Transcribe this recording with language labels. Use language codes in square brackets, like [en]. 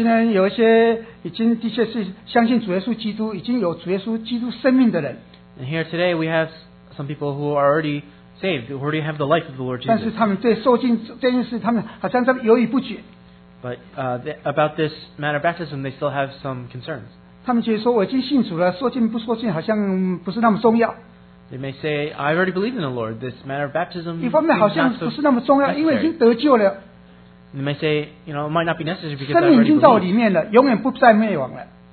[en] And here today, we have some people who are already saved, who already have the life of the Lord Jesus. But about this matter of baptism, they still have some concerns. [zh] 他们觉得说我已经信主了，受浸不受浸好像不是那么重要。 [en] They may say, I already believe in the Lord. This matter of baptism is not so necessary. [zh] 因为已经得救了。 [en] They may say, you know, it might not be necessary because I already believe. [zh] 生命已经到里面了，永远不再灭亡了。